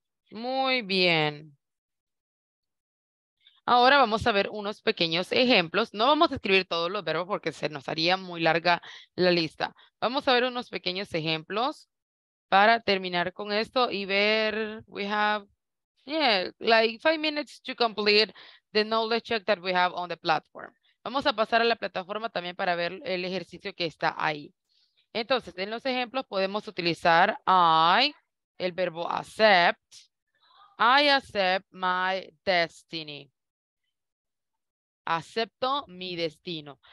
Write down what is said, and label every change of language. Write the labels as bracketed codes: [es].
[es] Muy bien. Ahora vamos a ver unos pequeños ejemplos. No vamos a escribir todos los verbos porque se nos haría muy larga la lista. Vamos a ver unos pequeños ejemplos para terminar con esto y ver. [en] We have, yeah, like 5 minutes to complete the knowledge check that we have on the platform. [es] Vamos a pasar a la plataforma también para ver el ejercicio que está ahí. Entonces, en los ejemplos podemos utilizar I, el verbo accept. [en] I accept my destiny. [es] Acepto mi destino.